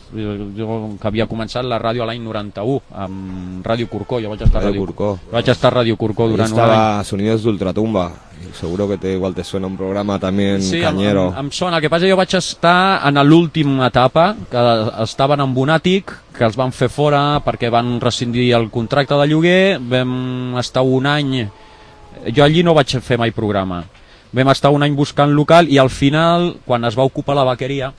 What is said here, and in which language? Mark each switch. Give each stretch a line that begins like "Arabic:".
Catalan: Jo que havia començat la ràdio l'any 91 amb Ràdio Curcó. Jo vaig estar a Ràdio Curcó durant un any. Estava a Sonidos d'Ultratumba.
Spanish: Seguro que igual te suena un programa también, sí, cañero.
Catalan: Sí, em sona. El que passa, jo vaig estar en l'última etapa, que estaven en un àtic, que els van fer fora perquè van rescindir el contracte de lloguer. Vam estar un any... Jo allí no vaig fer mai programa. Vam estar un any buscant local i al final, quan es va ocupar la vaqueria...